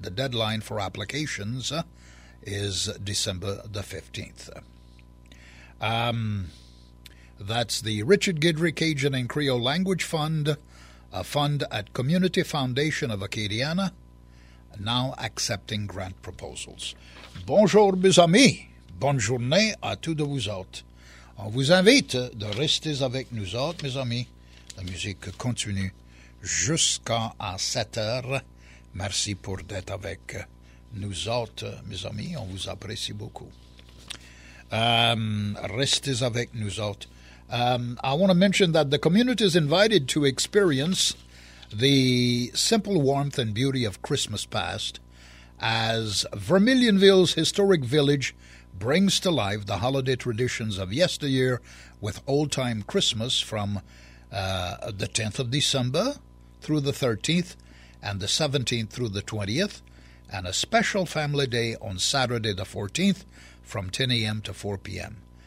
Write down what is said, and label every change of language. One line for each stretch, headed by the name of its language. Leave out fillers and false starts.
English: The deadline for applications is December the 15th. That's the Richard Guidry Cajun and Creole Language Fund, a fund at Community Foundation of Acadiana, now accepting grant proposals.
French: Bonjour, mes amis. Bonne journée à tous de vous autres. On vous invite de rester avec nous autres, mes amis. La musique continue jusqu'à 7 heures. Merci pour d'être avec nous autres, mes amis. On vous apprécie beaucoup. Restez avec nous autres.
English: I want to mention that the community is invited to experience the simple warmth and beauty of Christmas past as Vermilionville's historic village brings to life the holiday traditions of yesteryear with old-time Christmas from the 10th of December through the 13th and the 17th through the 20th, and a special family day on Saturday the 14th from 10 a.m. to 4 p.m.